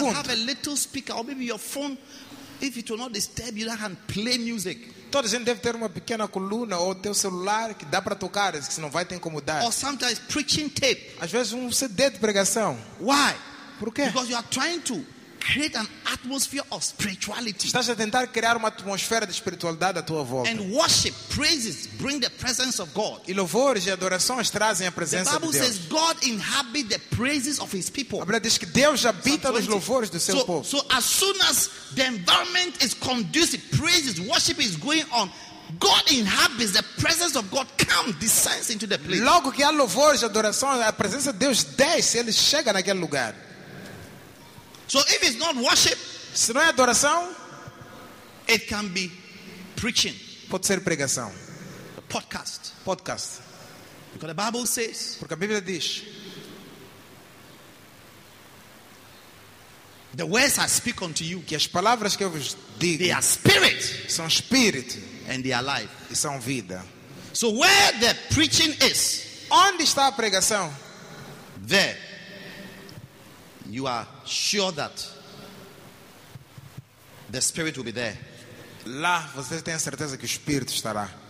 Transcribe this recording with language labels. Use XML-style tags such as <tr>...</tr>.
<en>must have a little speaker or maybe your phone, if it will not disturb you, that can play music.</en> <pt>Toda gente deve ter uma pequena coluna ou teu celular que dá para tocar, se não vai te incomodar.</pt> <en>Or sometimes preaching tape.</en> <pt>Às vezes CD de pregação.</pt> <en>Why?</en> <pt>Por quê?</pt> <en>Because you are trying to create an atmosphere of spirituality.</en> <pt>Estás a tentar criar uma atmosfera de espiritualidade à tua volta.</pt> <en>And worship, praises bring the presence of God.</en> <pt>E louvores e adorações trazem a presença de Deus.</pt> <en>The Bible says God inhabits the praises of his people.</en> <pt>A Bíblia diz que Deus habita nos louvores do seu povo.</pt> <en>So as soon as the environment is conducive, praises, worship is going on, God inhabits the presence of God, come, descends into the place.</en> <pt>Logo que há louvores e adorações, a presença de Deus desce, ele chega naquele lugar.</pt> <en>So if it's not worship,</en> <pt>se não é adoração,</pt> <en>it can be preaching.</en> <pt>Pode ser pregação.</pt> <en>A podcast.</en> <pt>Podcast.</pt> <en>Because the Bible says.</en> <pt>Porque a Bíblia diz.</pt> <en>The words I speak unto you,</en> <pt>que as palavras que eu vos digo,</pt> <en>they are spirit,</en> <pt>são espírito,</pt> <en>and they are life,</en> <pt>e são vida.</pt> <en>So where the preaching is,</en> <pt>onde está a pregação?</pt> <en>There. You are sure that the spirit will be there.</en> <pt>Lá você tem a certeza que o espírito estará.</pt>